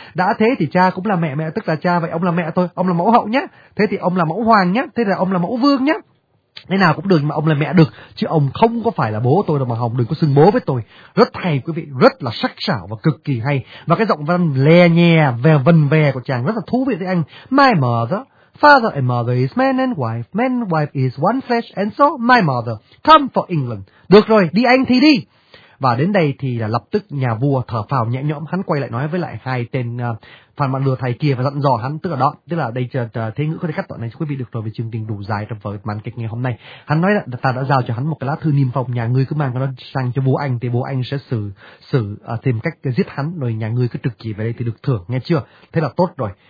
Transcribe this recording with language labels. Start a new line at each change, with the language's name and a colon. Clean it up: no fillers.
Vietnamese: Đã thế thì cha cũng là mẹ, mẹ tức là cha, vậy ông là mẹ tôi, ông là mẫu hậu nhé. Thế thì ông là mẫu hoàng nhé, thế là ông là mẫu vương nhé. Thế nào cũng được mà ông là mẹ được, chứ ông không có phải là bố tôi đâu mà Hồng, đừng có xưng bố với tôi. Rất hay quý vị, rất là sắc sảo và cực kỳ hay. Và cái giọng văn lè nhè, về vần vè của chàng rất là thú vị với anh.
English: My mother, father and mother is man and wife, man and wife is one flesh, and so my mother, come for England.
Vietnamese: Được rồi, đi anh thì đi. Và đến đây thì là lập tức nhà vua thở phào nhẹ nhõm, hắn quay lại nói với lại hai tên phản mạng lừa thầy kia và dặn dò hắn, tức là đó, tức là đây thế ngữ có thể cắt đoạn này cho quý vị được rồi, về chương trình đủ dài trong vở màn kịch ngày hôm nay. Hắn nói là ta đã giao cho hắn một cái lá thư niêm phong, nhà ngươi cứ mang nó sang cho bố anh thì bố anh sẽ xử tìm cách giết hắn, rồi nhà ngươi cứ trực chỉ về đây thì được thưởng, nghe chưa? Thế là tốt rồi.